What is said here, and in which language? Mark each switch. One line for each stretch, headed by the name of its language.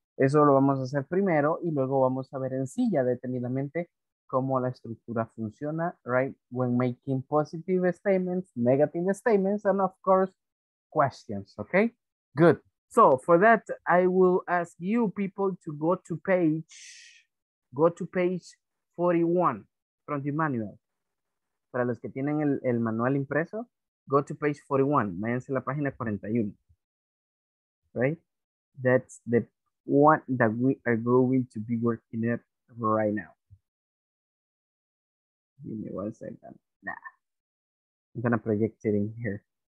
Spanish: Eso lo vamos a hacer primero y luego vamos a ver en sí ya detenidamente cómo la estructura funciona, right?
English: When making positive statements, negative statements, and of course, questions, okay? Good. So for that, I will ask you people to go to page 41 from the manual.
Spanish: Para los que tienen el manual impreso,
English: go to page 41,
Spanish: váyanse a la página 41, right?
English: That's the one that we are going to be working at right now. Give me one second. Nah. I'm gonna project it in here.